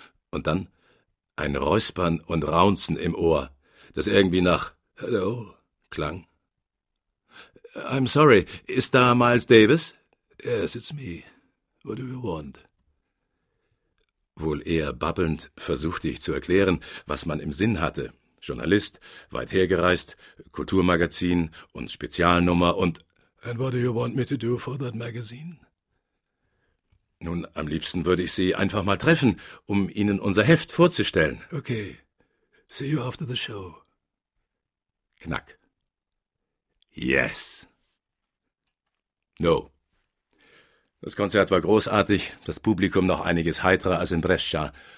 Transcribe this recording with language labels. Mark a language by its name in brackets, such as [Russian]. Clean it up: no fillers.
[German] Und dann ein Räuspern und Raunzen im Ohr, das irgendwie nach Hello klang. [English] I'm sorry, [German] ist da Miles Davis? [English] Yes, it's me. What do you want? [German] Wohl eher babbelnd versuchte ich zu erklären, was man im Sinn hatte. Journalist, weit hergereist, Kulturmagazin und Spezialnummer und... [English] And what do you want me to do for that magazine? [German] Nun, am liebsten würde ich Sie einfach mal treffen, um Ihnen unser Heft vorzustellen. [English] Okay. See you after the show. Knack. Yes. No. [German] Das Konzert war großartig, das Publikum noch einiges heiterer als in Brescia.